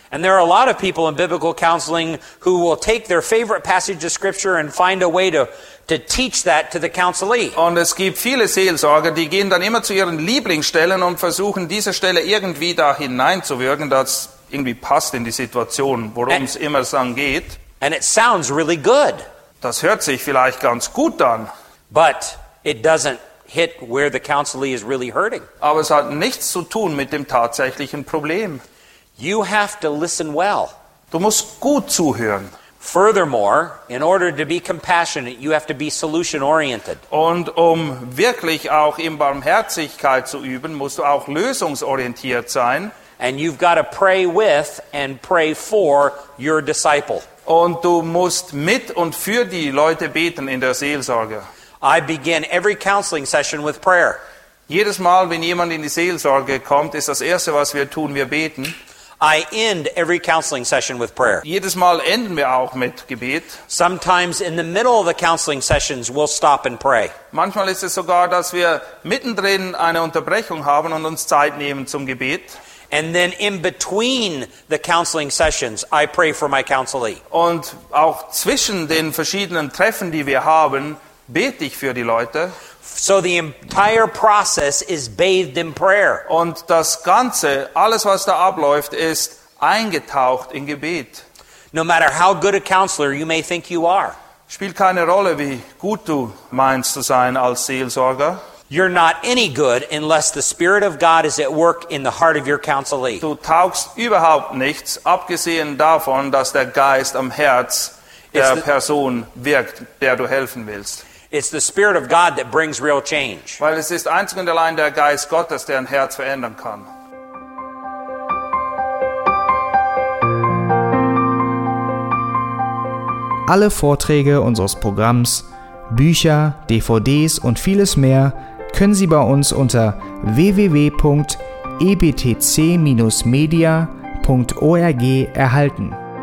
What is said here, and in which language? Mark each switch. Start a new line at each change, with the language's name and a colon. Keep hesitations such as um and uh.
English: And there are a lot of people in biblical counseling who will take their favorite passage of scripture and find a way to to teach that to the counselee.
German: Und es gibt viele Seelsorger, die gehen dann immer zu ihren Lieblingsstellen und versuchen diese Stelle irgendwie da hineinzuwirken, dass irgendwie passt in die Situation, worum es immer so geht.
English: And it sounds really good.
German: Das hört sich vielleicht ganz gut an.
English: But it doesn't hit where the counselee is really hurting.
German: Aber es hat nichts zu tun mit dem tatsächlichen Problem.
English: You have to listen well.
German: Du musst gut zuhören.
English: Furthermore, in order to be compassionate, you have to be solution oriented.
German: Und um wirklich auch in Barmherzigkeit zu üben, musst du auch lösungsorientiert sein.
English: And you've got to pray with and pray for your disciple.
German: Und du musst mit und für die Leute beten in der Seelsorge.
English: I begin every counseling session with prayer.
German: Jedes Mal, wenn jemand in die Seelsorge kommt, ist das erste, was wir tun, wir beten.
English: I end every counseling session with prayer. Sometimes in the middle of the counseling sessions we'll stop and pray.
German: Manchmal ist es sogar, dass wir mittendrin eine Unterbrechung haben und uns Zeit nehmen zum Gebet.
English: And then in between the counseling sessions I pray for my counselee. And also between the
German: verschiedenen
English: meetings that we have, I pray for the people. So the entire process is bathed in prayer.
German: Und das ganze, alles was da abläuft, ist eingetaucht in Gebet.
English: No matter how good a counselor you may think you are.
German: Spielt keine Rolle, wie gut du meinst zu sein als Seelsorger.
English: You're not any good unless the spirit of God is at work in the heart of your counselee.
German: Du taugst überhaupt nichts, abgesehen davon, dass der Geist am Herz der Person wirkt, der du helfen willst.
English: It's the Spirit of God that brings real change.
German: Weil es ist einzig und allein der Geist Gottes, der ein Herz verändern kann. Alle Vorträge unseres Programms, Bücher, DVDs und vieles mehr können Sie bei uns unter www.ebtc-media.org erhalten.